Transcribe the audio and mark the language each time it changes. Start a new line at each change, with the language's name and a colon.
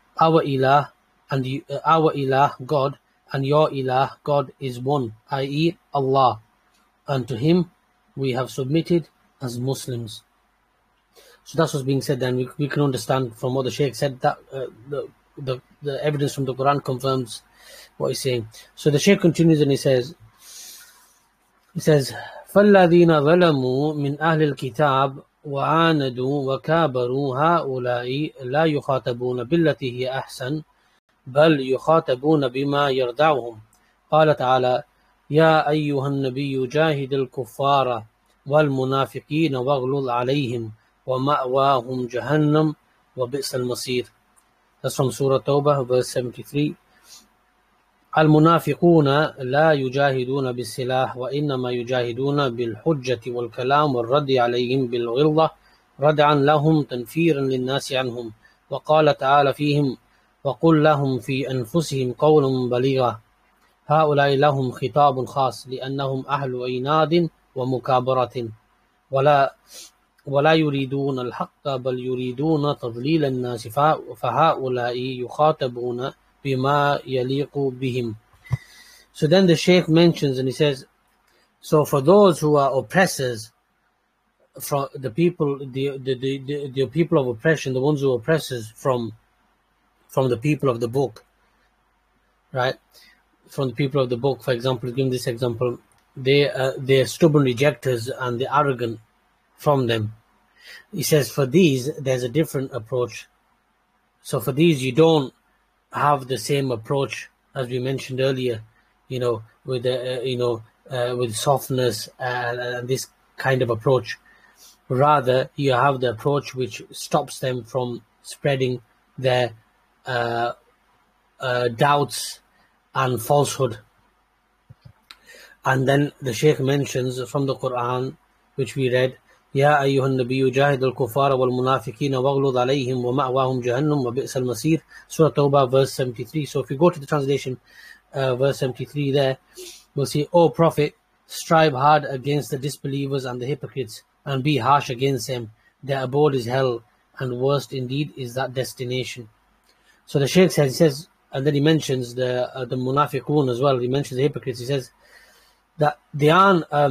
English: Our Ilah, and our Ilah God, and your Ilah God is one, i.e. Allah, and to him we have submitted as Muslims. So that's what's being said then. We can understand from what the Shaykh said that the evidence from the Quran confirms what he's saying. So the Shaykh continues and he says,
Arabic: فَالَّذِينَ ظَلَمُوا مِنْ أَهْلِ الْكِتَابِ وَعَانَدُوا وَكَابَرُوا هَؤُلَاءِ لَا يُخَاطَبُونَ بِالَّتِي هِيَ أَحْسَنُ بَلْ يُخَاطَبُونَ بِمَا يَرْدَعُهُمْ. قال تعالى, يا أيها النبي جاهد الكفار والمنافقين واغلظ عليهم ومأواهم جهنم وبئس المصير.
English: That's from Surah Tawbah, verse 73.
Arabic: المنافقون لا يجاهدون بالسلاح وإنما يجاهدون بالحجة والكلام والرد عليهم بالغلظة ردعا لهم تنفيرا للناس عنهم. وقال تعالى فيهم وقل لهم في أنفسهم قولا بليغا. هؤلاء لهم خطاب خاص لأنهم أهل عناد ومكابرة ولا يريدون الحق بل يريدون تضليل الناس. فهؤلاء يخاطبون بما يليق بهم.
English: So then the Shaykh mentions and he says, so for those who are oppressors, from the people, the people of oppression, the ones who oppress us from the people of the book, right? From the people of the book, for example, give this example, they're stubborn rejectors and the arrogant from them. He says, for these, there's a different approach. So for these, you don't have the same approach as we mentioned earlier, you know, with with softness and this kind of approach. Rather, you have the approach which stops them from spreading their doubts and falsehood. And then the Shaykh mentions from the Quran, which we read,
Arabic: يَا أَيُّهَا النَّبِيُّ جَاهِدُ الْكُفَّارَ وَالْمُنَافِقِينَ وَاغْلُظْ عَلَيْهِمْ وَمَأْوَاهُمْ جَهَنَّمُ وَبِئْسَ الْمَصِيرُ.
English: Surah Tawbah, verse 73. So if you go to the translation, verse 73 there, we'll see, O Prophet, strive hard against the disbelievers and the hypocrites, and be harsh against them. Their abode is hell, and worst indeed is that destination. So the Shaykh says, and then he mentions the munafiqun as well. He mentions the hypocrites. He says that they aren't.